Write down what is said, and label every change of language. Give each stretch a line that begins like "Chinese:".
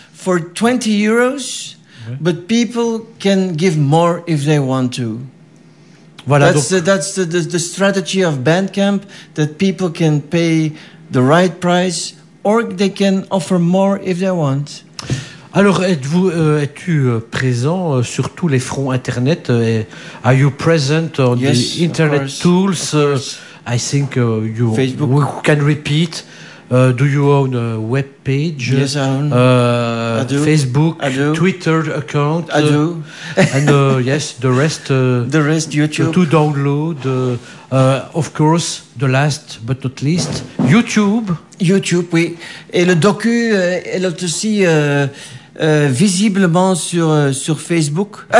English: for 20 euros, ouais, but people can give more if they want to.
French: Voilà,
English: that's the strategy of Bandcamp, that people can pay the right price or they can offer more if they want.
French: Alors, es-tu présent sur tous les fronts Internet?
English: Are you present on, yes, the Internet tools? I think you Facebook. We can repeat. Do you own a web page? Yes, I own. Facebook, I do. Twitter account. I do. And yes, the rest. The rest, YouTube. To download. Of course, the last but not least, YouTube.
French: YouTube, oui. Et le docu, elle est aussi visiblement sur Facebook.